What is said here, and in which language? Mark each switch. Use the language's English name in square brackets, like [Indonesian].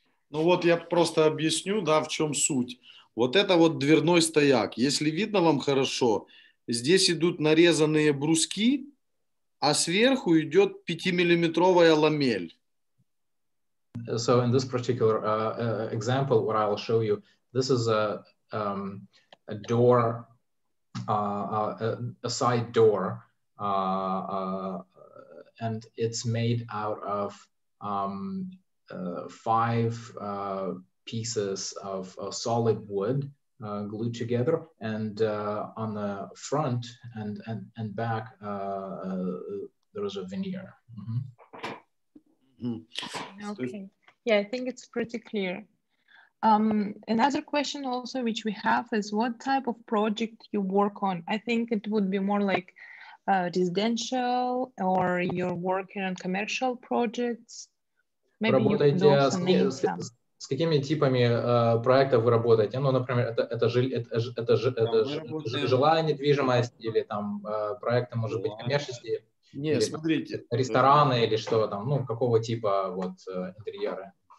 [Russian] Ну вот я просто объясню, да, в чем суть. Вот это вот дверной стояк. Если видно вам хорошо, здесь идут нарезанные бруски, а сверху идет 5-миллиметровая ламель. [English] So in this particular example, what I will show you, this is a door, a side door, and it's made out of 5 pieces of solid wood glued together, and on the front and back there is a veneer. Mm-hmm. Okay. Yeah, I think it's pretty clear. Another question also which we have is what type of project you work on? I think it would be more like residential or you're working on commercial projects. [Russian] Работаете с какими типами проектов вы работаете? Ну, например, это жилая недвижимость или там проекты, может быть, коммерческие? Нет, смотрите. Рестораны или что там? Ну, какого типа вот интерьеры?